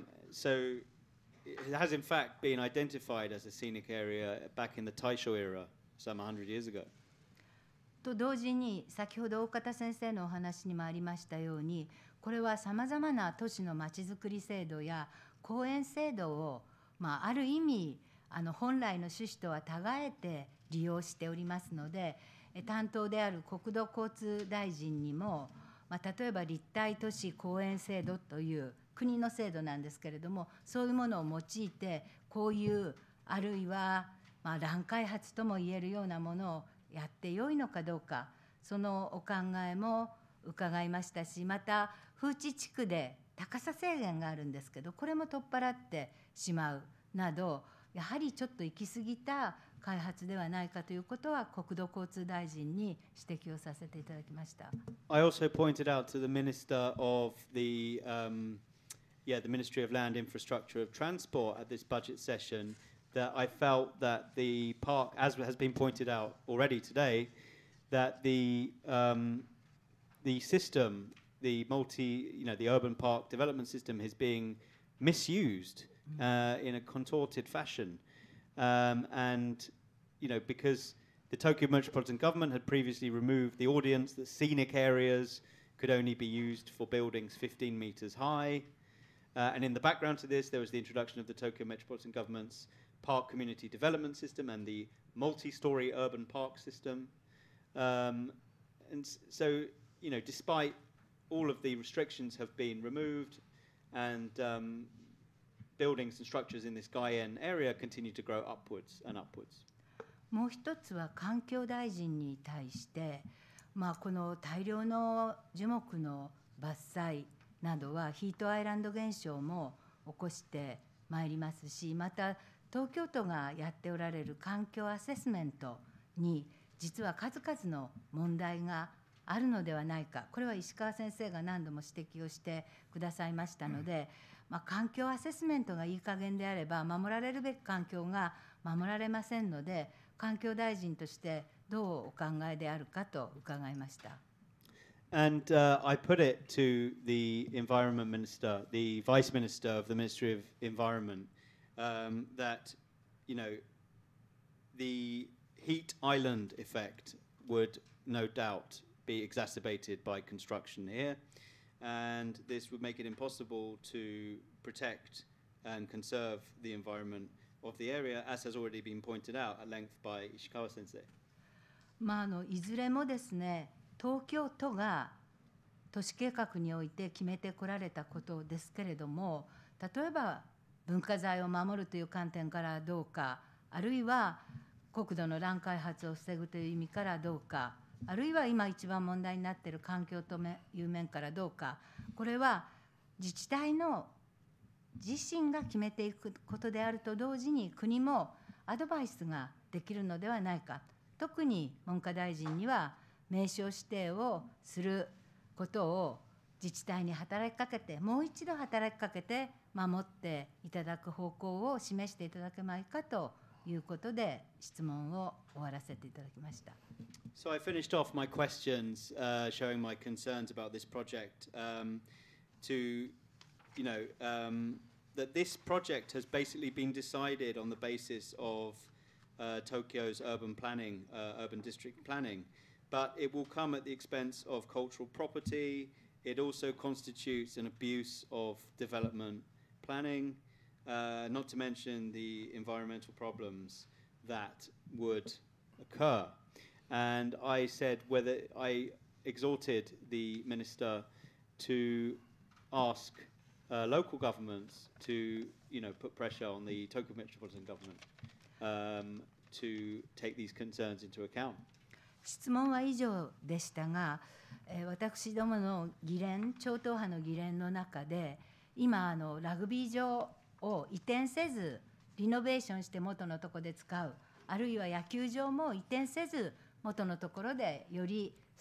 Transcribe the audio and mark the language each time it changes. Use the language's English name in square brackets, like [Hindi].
[English] So it has in fact been identified as a scenic area back in the Taisho era, some 100 years ago. [Japanese] と同時に、先ほど岡田先生のお話にもありましたように、これはさまざまな都市の町づくり制度や公園制度を、まあ、ある意味本来の趣旨とは違えて利用しておりますので、担当である国土交通大臣にも、まあ、例えば立体都市公園制度という国の制度なんですけれども、そういうものを用いて、こういうあるいは、まあ、乱開発ともいえるようなものをやってよいのかどうか、そのお考えも伺いましたし、また、風致地区で高さ制限があるんですけど、これも取っ払ってしまうなど、やはりちょっと行き過ぎた開発ではないかということは、国土交通大臣に指摘をさせていただきました。 [English] I also pointed out to the Minister of the, the Ministry of Land, Infrastructure of Transport at this budget session, that I felt that the park, as has been pointed out already today, that the system, the multi, you know, the urban park development system is being misused in a contorted fashion. And, you know, because the Tokyo Metropolitan Government had previously removed the audience that scenic areas could only be used for buildings 15 meters high. And in the background to this, there was the introduction of the Tokyo Metropolitan Government's park community development system and the multi-story urban park system. And so, you know, despite all of the restrictions have been removed and buildings and structures in this Gaien area continue to grow upwards and upwards. [Japanese] もう一つは環境大臣に対して、まあ、この大量の樹木の伐採などはヒートアイランド現象も起こしてまいりますし、また東京都がやっておられる環境アセスメントに実は数々の問題があるのではないか、これは石川先生が何度も指摘をしてくださいましたので、まあ、環境アセスメントがいい加減であれば守られるべき環境が守られませんので、環境大臣としてどうお考えであるかと伺いました。 [English] And I put it to the Environment Minister, the Vice Minister of the Ministry of Environment, that, you know, the heat island effect would no doubt be exacerbated by construction here, and this would make it impossible to protect and conserve the environment of the area, as has already been pointed out at length by Ishikawa sensei. [Japanese] まあ、いずれもですね、東京都が都市計画において決めてこられたことですけれども、例えば文化財を守るという観点からどうか、あるいは国土の乱開発を防ぐという意味からどうか、あるいは今一番問題になっている環境という面からどうか、これは自治体の自身が決めていくことであると同時に、国もアドバイスができるのではないか、特に文科大臣には名称指定をすることを自治体に働きかけて、もう一度働きかけて守っていただく方向を示していただけないかということで質問を終わらせていただきました。 [English] So I finished off my questions, showing my concerns about this project, to, you know, that this project has basically been decided on the basis of Tokyo's urban planning, urban district planning. But it will come at the expense of cultural property. It also constitutes an abuse of development planning. not to mention the environmental problems that would occur. And I said whether I exhorted the minister to ask local governments to, you know, put pressure on the Tokyo Metropolitan Government to take these concerns into account. [Japanese] 質問は以上でしたが、私どもの議連、超党派の議連の中で、今ラグビー場を移転せずリノベーションして元のところで使う、あるいは野球場も移転せず元のところでより